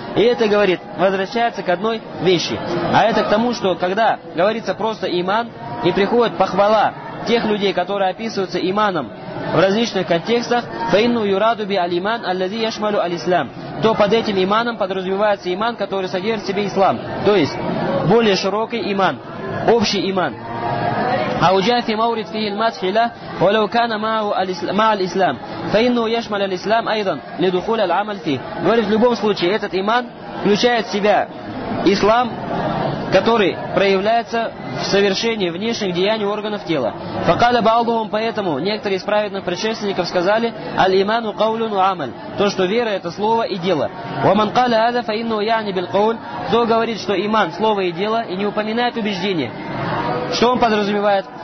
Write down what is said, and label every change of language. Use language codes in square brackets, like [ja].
[ru] И это, говорит, возвращается к одной вещи. А это к тому, что когда говорится просто иман, и приходит похвала тех людей, которые описываются иманом в различных контекстах, [ar] فَإِنُّ يُرَادُ بِالْإِيمَانِ الَّذِي يَشْمَلُ الْإِسْلَامِ, [ru] то под этим иманом подразумевается иман, который содержит в себе ислам. То есть более широкий иман, общий иман. [ar] أوجه في مورد فيه المدح له ولو كان مع الإسلام فإنه يشمل الإسلام أيضا لدخول العمل فيه. [ru] Говорит, в любом случае этот иман, включает в себя ислам, который проявляется в совершении внешних деяний органов тела. [ar] Факаля Баалгухум, [ru] поэтому некоторые из праведных предшественников сказали: [ar] «Аль-Иману Каулюну Амаль», [ru] то, что вера – это слово и дело. [ar] «Ваман каля ада фа инну яни бил кауль», [ru] кто говорит, что иман – слово и дело, и не упоминает убеждение. Что он подразумевает?